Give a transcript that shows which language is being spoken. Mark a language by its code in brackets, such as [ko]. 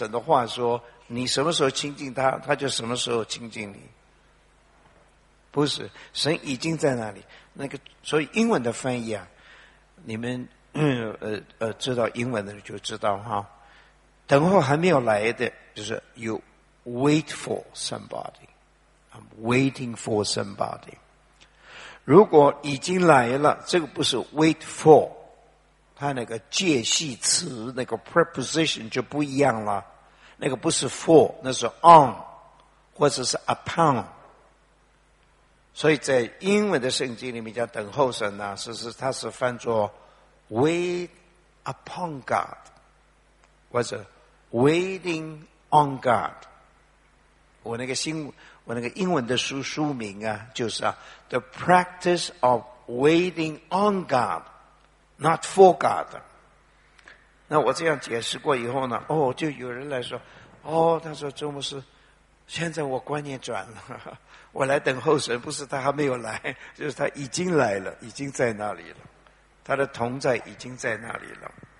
[zh] 神的话说，你什么时候亲近他，他就什么时候亲近你。不是，神已经在那里。那个，所以英文的翻译啊，你们知道英文的人就知道哈，等候还没有来的，就是有。 [en] Wait for somebody. I'm waiting for somebody. [zh] 如果已经来了，这个不是 [en] wait for， [zh] 它那个介系词那个 preposition 就不一样了，那个不是 for， 那是 on 或者是 upon。所以在英文的圣经里面叫等候神呢，是它是翻作 [en] wait upon God [zh] 或者 [en] waiting on God。 [zh] 我那个英文的书名啊，就是啊 [en] The Practice of Waiting on God Not for God。 [zh] 那我这样解释过以后呢，哦，就有人来说，哦，他说周牧师，现在我观念转了，我来等候神，不是他还没有来，就是他已经来了，已经在那里了，他的同在已经在那里了。